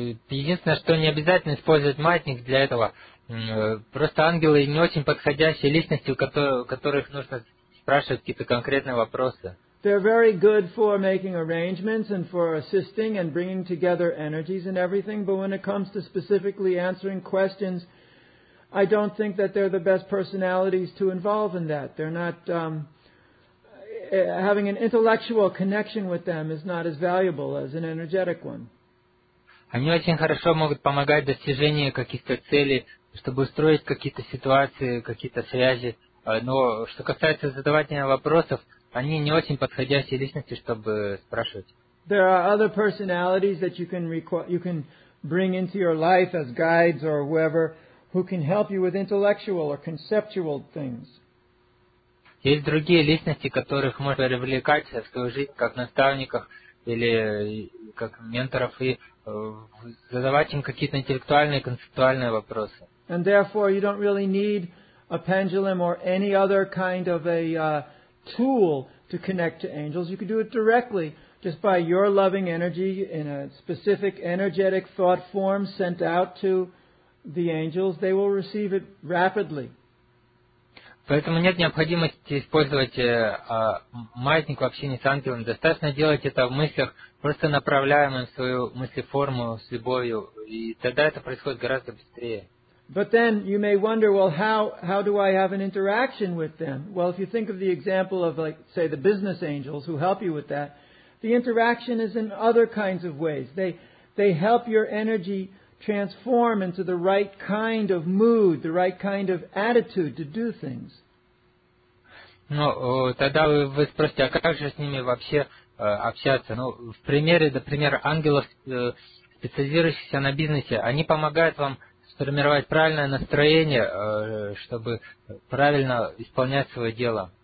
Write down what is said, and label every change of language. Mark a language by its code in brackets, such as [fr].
[ru] Единственное, что не обязательно использовать маятник для этого. Просто ангелы не очень подходящие личности, у которых нужно спрашивать какие-то конкретные вопросы. [en] They're very good for making arrangements and for assisting and bringing together energies and everything, but when it comes to specifically answering questions, I don't think that they're the best personalities to involve in that. They're not having an intellectual connection with them is not as valuable as an energetic one. [ru] Они очень хорошо могут помогать в достижении каких-то целей, чтобы устроить какие-то ситуации, какие-то связи. Но что касается задавания вопросов, они не очень подходящие личности, чтобы спрашивать. [en] There are other personalities that you can bring into your life as guides or whoever, who can help you with intellectual or conceptual things. [ru] Есть другие личности, которых можно привлекать в свою жизнь как наставников или как менторов и задавать им какие-то интеллектуальные, концептуальные вопросы. [en] And therefore, you don't really need a pendulum or any other kind of a tool to connect to angels. You can do it directly just by your loving energy in a specific energetic thought form sent out to the angels. They will receive it rapidly. [ru] Поэтому нет необходимости использовать маятник в общении с ангелами. Достаточно делать это в мыслях, просто направляем им свою мыслеформу с любовью, и тогда это происходит гораздо быстрее. [en] But then you may wonder, well, how do I have an interaction with them? Well, if you think of the example of, like, say, the business angels who help you with that, the interaction is in other kinds of ways. They help your energy transform into the right kind of mood, the right kind of attitude to do things. [ru] Ну, тогда вы спросите, а как же с ними вообще общаться? Ну, в примере, например, ангелов, специализирующихся на бизнесе, они помогают вам сформировать правильное настроение, чтобы правильно исполнять свое дело.